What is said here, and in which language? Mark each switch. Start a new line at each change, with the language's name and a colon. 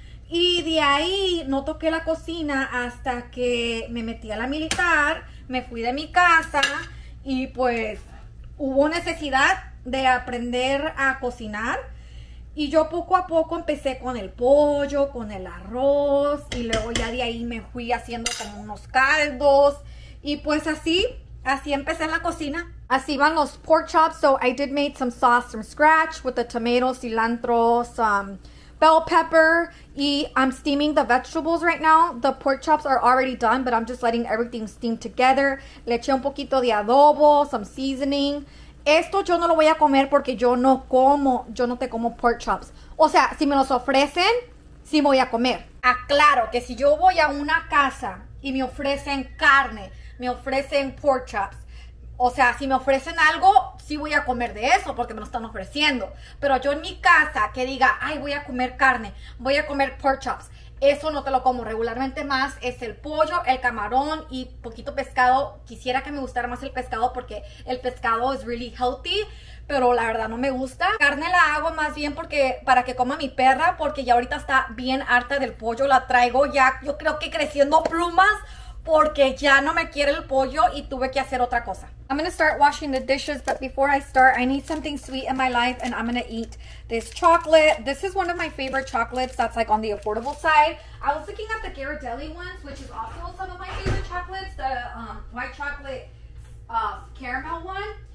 Spanish: Y de ahí no toqué la cocina hasta que me metí a la militar, me fui de mi casa y pues hubo necesidad de aprender a cocinar. Y yo poco a poco empecé con el pollo, con el arroz y luego ya de ahí me fui haciendo como unos caldos. Y pues así empecé en la cocina. Así van los
English: pork chops, so I did make some sauce from scratch with the tomatoes, cilantro, bell pepper, y I'm steaming the vegetables right now. The pork chops are already done, but I'm just letting everything steam together.
Spanish: Le eché un poquito de adobo,
English: some seasoning.
Spanish: Esto yo no lo voy a comer porque yo no te como pork chops. O sea, si me los ofrecen, sí me voy a comer. Aclaro que si yo voy a una casa y me ofrecen carne, me ofrecen pork chops, o sea, si me ofrecen algo, sí voy a comer de eso porque me lo están ofreciendo. Pero yo en mi casa que diga, ay, voy a comer carne, voy a comer pork chops, eso no te lo como. Regularmente más es el pollo, el camarón y poquito pescado. Quisiera que me gustara más el pescado porque el pescado es
English: really healthy,
Spanish: pero la verdad no me gusta. Carne la hago más bien porque para que coma mi perra, porque ya ahorita está bien harta del pollo. La traigo ya, yo creo que creciendo plumas, porque ya no me quiere el pollo y tuve que hacer otra cosa.
English: I'm gonna start washing the dishes, but before I start, I need something sweet in my life, and I'm gonna eat this chocolate. This is one of my favorite chocolates that's like on the affordable side. I was looking at the Ghirardelli ones, which is also some of my favorite chocolates, the white chocolate caramel one.